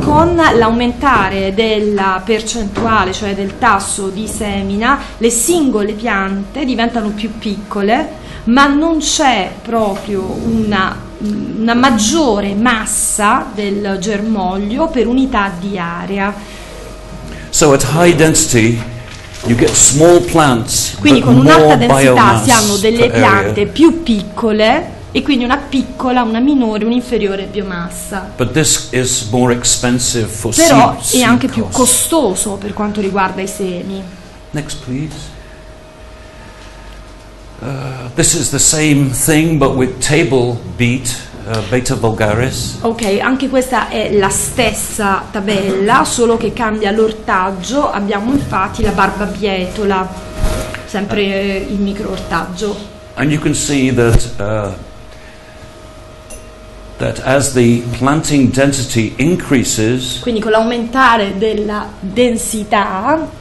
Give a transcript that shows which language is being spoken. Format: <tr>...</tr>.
<it>Con l'aumentare della percentuale, cioè del tasso di semina, le singole piante diventano più piccole, ma non c'è proprio una maggiore massa del germoglio per unità di area.</it> <en>So at high density you get small plants.</en> <it>Quindi con un'alta densità si hanno delle piante più piccole e quindi una piccola, una minore, un'inferiore biomassa.</it> <en>But this is more expensive for seeds.</en> <it>Però è anche più costoso per quanto riguarda i semi.</it> <en>Next please. This is the same thing but with table beet, Beta vulgaris.</en> <it>Ok, anche questa è la stessa tabella, solo che cambia l'ortaggio. Abbiamo infatti la barbabietola, sempre il microortaggio.</it> <en>And you can see that that as the planting density increases,</en> <it>quindi con l'aumentare della densità,</it>